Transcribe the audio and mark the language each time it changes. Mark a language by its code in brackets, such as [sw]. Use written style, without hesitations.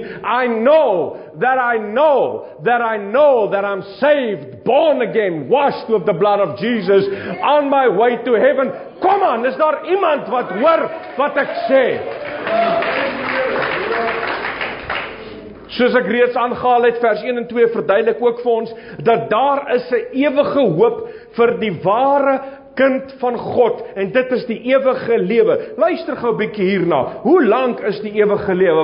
[en] I know that I'm saved, born again, washed with the blood of Jesus, on my way to heaven. [af] Kom aan, is daar iemand wat hoor wat ek sê? Soos ek reeds aangehaal het, vers 1 en 2 verduidelik ook vir ons, dat daar is 'n ewige hoop vir die ware kind van God, en dit is die ewige lewe. Luister gou 'n bietjie hierna, hoe lank is die ewige lewe?